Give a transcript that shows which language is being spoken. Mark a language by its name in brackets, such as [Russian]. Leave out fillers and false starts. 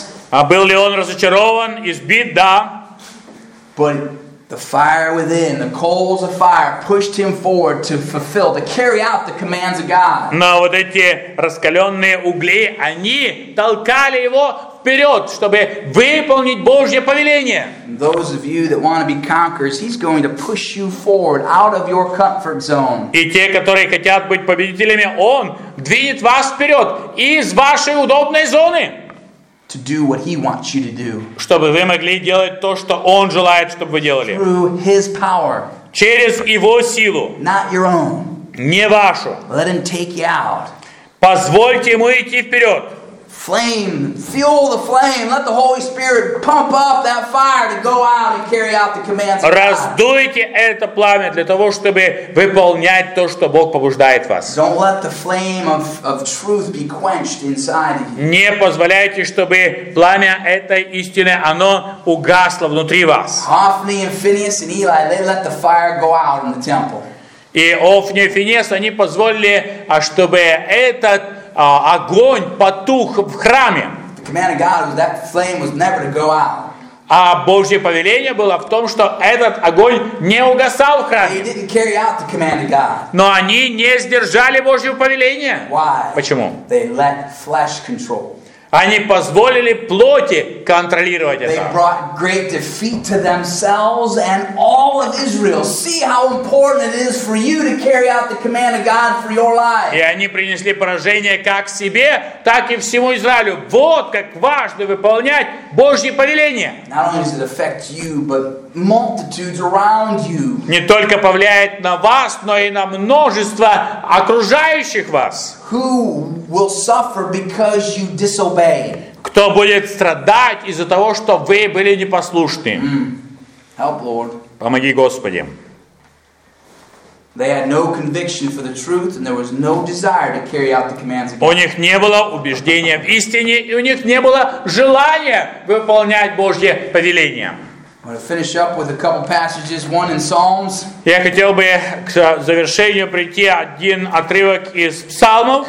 [Russian] А был ли он разочарован, избит? Да. [English] But the fire within, the coals of fire, pushed him forward to fulfill, to carry out the commands of God. [Russian] Но вот эти раскаленные угли, они толкали его вперед, чтобы выполнить Божье повеление. [English] Those of you that want to be conquerors, he's going to push you forward out of your comfort zone. [Russian] И те, которые хотят быть победителями, он двинет вас вперед из вашей удобной зоны. [English] To do what he wants you to do. [Russian] Чтобы вы могли делать то, что он желает, чтобы вы делали. [English] Through his power. [Russian] Через его силу. [English] Not your own. [Russian] Не вашу. [English] Let him take you out. [Russian] Позвольте ему идти вперед. [English] Flame, fuel the flame. Let the Holy Spirit pump up that fire to go out and carry out the commands of God. [Russian] Раздуйте это пламя для того, чтобы выполнять то, что Бог побуждает вас. [English] Don't let the flame of truth be quenched inside of you. [Russian] Не позволяйте, чтобы пламя этой истины, оно угасло внутри вас. [English] Hophni and Phinehas and Eli, they let the fire go out in the temple. [Russian] И Офни и Финес, они позволили, чтобы этот огонь потух в храме. [English] The command of God was that flame was never to go out. [Russian] А Божье повеление было в том, что этот огонь не угасал в храме. [English] He didn't carry out the command of God. [Russian] Но они не сдержали Божье повеление. [English] Why? [Russian] Почему? [English] They let flesh control. [Russian] Они позволили плоти контролировать это. [English] They brought great defeat to themselves and all of Israel. See how important it is for you to carry out the command of God for your life. [Russian] И они принесли поражение как себе, так и всему Израилю. Вот как важно выполнять Божьи повеления. [English] Not only does it affect you, but multitudes around you. [Russian] Не только повлияет на вас, но и на множество окружающих вас. [English] Who will suffer because you disobey? [Russian] Кто будет страдать из-за того, что вы были непослушны? [English] Mm. Help, Lord. [Russian] Помоги, Господи. [English] They had no conviction for the truth, and there was no desire to carry out the commands of God. [Russian] У них не было убеждения в истине, и у них не было желания выполнять Божье повеление. [English] I'm going to finish up with a couple passages, one in Psalms. [Russian] Я хотел бы к завершению прийти один отрывок из Псалмов.